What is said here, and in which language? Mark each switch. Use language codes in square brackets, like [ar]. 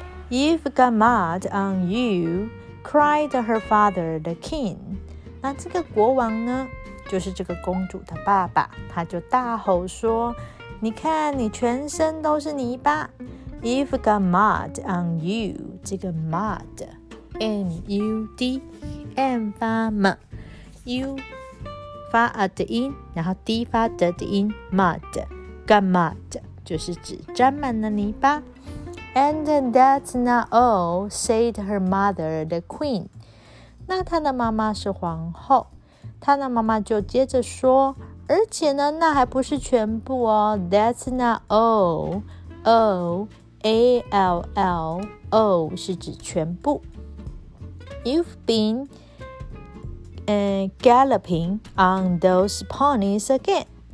[en] You've got mud on you, cried her father the king. [zh] 那这个国王呢就是这个公主的爸爸，他就大吼说，你看你全身都是泥巴。 [en] You've got mud on you. [zh] 这个 mud, M-U-D, M 发 M, U 发 a 的音，然后 D 发 d 的音。 Mud, got mud 就是指沾满了泥巴。 [en] And that's not all, said her mother, the queen. [zh] 那她的妈妈是皇后，她的妈妈就接着说，而且呢，那还不是全部哦。 [en] That's not all, all. A-L-L, O [zh] 是指全部。 [en] You've been galloping on those ponies again.